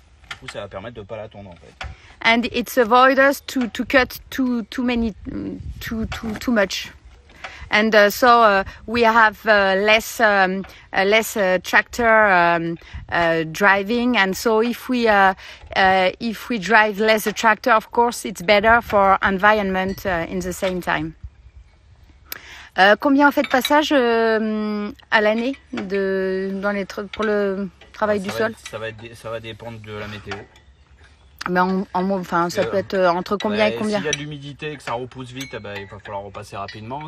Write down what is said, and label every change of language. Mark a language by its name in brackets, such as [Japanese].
[French] Du coup, ça va permettre de pas la tondre en fait. [English] And it's avoid us to cut too much, and so we have less tractor driving, and so if we drive less a tractor, of course it's better for environment in the same time. [French] Combien on fait de passage à l'année pour le travail du sol? Ça va dépendre de la météo. Mais ça peut être entre combien et combien? S'il y a de l'humidité et que ça repousse vite, eh ben, il va falloir repasser rapidement.